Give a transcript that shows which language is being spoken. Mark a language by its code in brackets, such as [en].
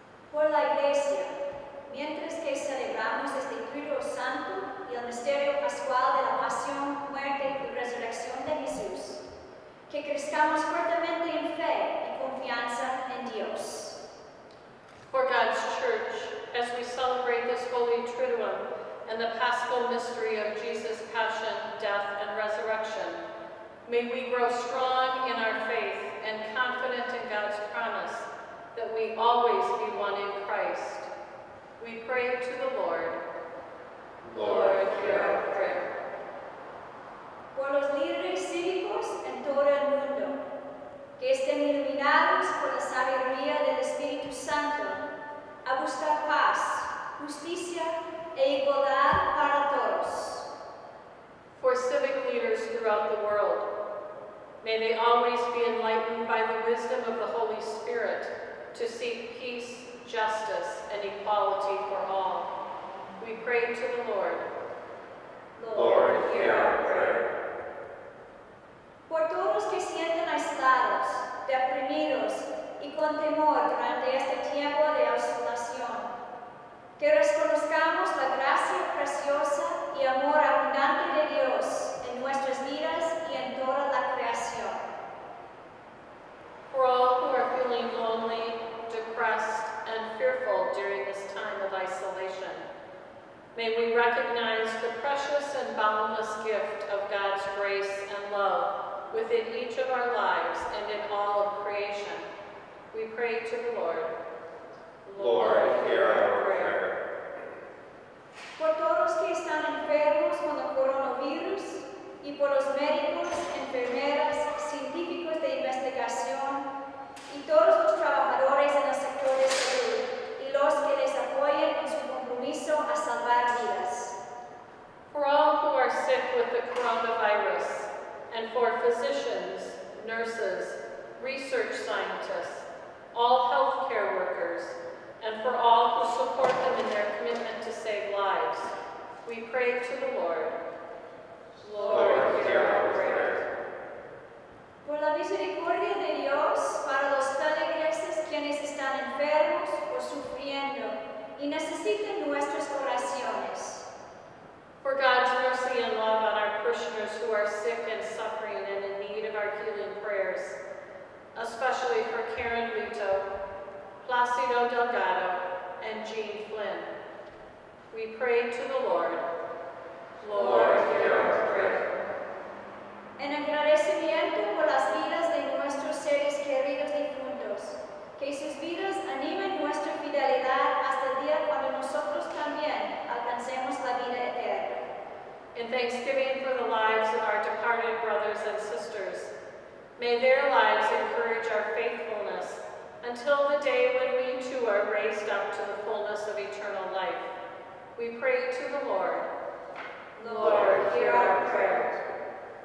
[es] Por la Iglesia, mientras que celebramos este Triduo Santo y el misterio pascual de la pasión, muerte y resurrección de Jesús, que crezcamos fuertemente en fe y confianza en Dios. [en] For God's Church, as we celebrate this holy Triduum and the Paschal mystery of Jesus' passion, death, and resurrection, may we grow strong in our faith and confident in God's promise that we always be one in Christ. We pray to the Lord. Lord, hear our prayer. [es] Por los líderes cívicos en todo el mundo, que estén iluminados por la sabiduría del Espíritu Santo, a buscar paz, justicia e igualdad para todos. [en] For civic leaders throughout the world, may they always be enlightened by the wisdom of the Holy Spirit to seek peace, justice, and equality for all. We pray to the Lord. Lord, hear our prayer. [es] Por todos que sienten aislados, deprimidos y con temor durante este tiempo de aislación, que reconozcamos la gracia preciosa y amor abundante de Dios en nuestras vidas y en toda la creación. [en] For all who are feeling lonely, depressed, and fearful during this time of isolation, may we recognize the precious and boundless gift of God's grace and love within each of our lives and in all of creation. We pray to the Lord. Lord, hear our prayer. [es] Por todos que están enfermos con el coronavirus y por los médicos, enfermeras, científicos de investigación y todos los trabajadores en el sector de salud y los que les apoyen en su compromiso a salvar vidas. [en] For all who are sick with the coronavirus, and for physicians, nurses, research scientists, all healthcare workers, and for all who support them in their commitment to save lives, we pray to the Lord. Lord, hear our prayer. [es] Por la misericordia de Dios para los feligreses quienes están enfermos o sufriendo y necesitan nuestras oraciones. [en] For God's mercy and love on our parishioners who are sick and suffering and in need of our healing prayers, especially for Karen Rito, Placido Delgado, and Jean Flynn. We pray to the Lord. Lord, hear our prayer. [es] En agradecimiento por las vidas de nuestros seres queridos difuntos, que sus vidas animen nuestra fidelidad hasta el día cuando nosotros también alcancemos la vida eterna. [en] In thanksgiving for the lives of our departed brothers and sisters, may their lives encourage our faithfulness until the day when we too are raised up to the fullness of eternal life. We pray to the Lord. Lord, hear our prayer.